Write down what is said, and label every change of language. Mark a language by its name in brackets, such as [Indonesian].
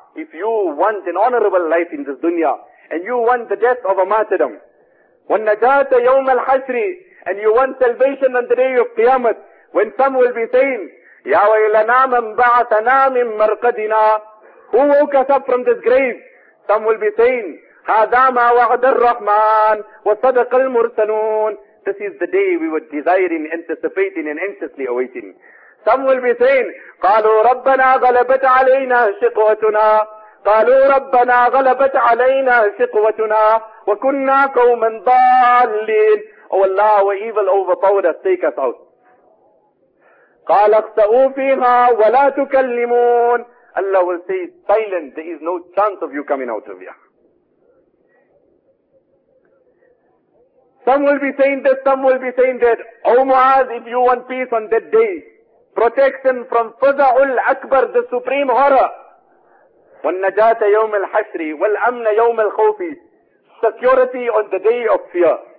[English] If you want an honorable life in this dunya, and you want the death of a martyrdom, [Arabic] wa najata yawm al-hashri, [English] and you want salvation on the day of Qiyamah, when some will be saying, [Arabic] Ya waylana man ba'athana min marqadina, [English] who woke us up from this grave? Some will be saying, [Arabic] هَذَا مَا وَعْدَ الرَّحْمَانِ وَصَدَقَ الْمُرْسَلُونَ. [English] This is the day we were desiring, anticipating and anxiously awaiting. Some will be saying, [Arabic] قَالُوا رَبَّنَا غَلَبَتْ عَلَيْنَا شِقْوَتُنَا قَالُوا رَبَّنَا غَلَبَتْ عَلَيْنَا شِقْوَتُنَا وَكُنَّا قَوْمًا ضَالِّينَ. [English] Oh Allah, our evil overpowered us, take us out. [Arabic] قَالَ اخْتَأُوا فِيهَا وَلَا تُكَلِّمُونَ. [English] Allah will say, silent, there is no chance of you coming out of here. Some will be saying this, some will be saying that. O Mu'adh, if you want peace on that day, protection from Fada'ul Akbar, the supreme horror, [Arabic] وَالنَّجَاةَ يَوْمِ الْحَشْرِ وَالْأَمْنَ يَوْمِ الْخَوْفِ, [English] security on the day of fear.